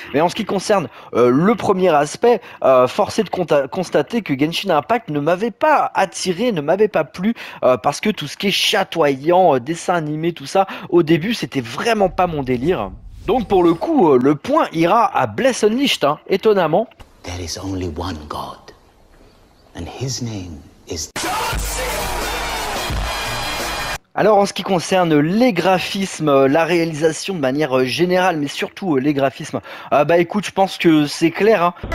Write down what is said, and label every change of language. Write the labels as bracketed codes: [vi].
[fr] Mais en ce qui concerne le premier aspect, force est de constater que Genshin Impact ne m'avait pas attiré, ne m'avait pas plu parce que tout ce qui est chatoyant, dessin animé, tout ça, au début. C'était vraiment pas mon délire. Donc pour le coup, le point ira à Blessed Unleashed, hein, étonnamment. [en] There is only one God, and his name is... [fr] Alors en ce qui concerne les graphismes, la réalisation de manière générale, mais surtout les graphismes, bah écoute, je pense que c'est clair, hein.